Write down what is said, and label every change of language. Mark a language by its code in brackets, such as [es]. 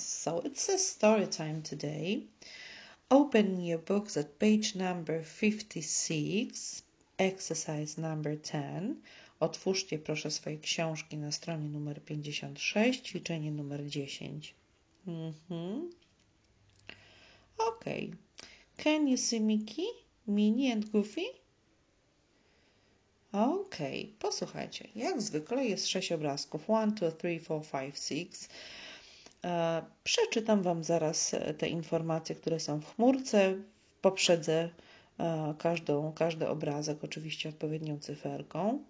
[en] So it's a story time today. Open your books at page number 56, exercise number 10. [pl] Otwórzcie proszę swoje książki na stronie numer 56, ćwiczenie numer 10. Okay. [en] Can you see Mickey, Minnie and Goofy? [pl] Okej, okay, posłuchajcie. Jak zwykle jest 6 obrazków. 1, 2, 3, 4, 5, 6. Przeczytam Wam zaraz te informacje, które są w chmurce. Poprzedzę każdy obrazek, oczywiście odpowiednią cyferką.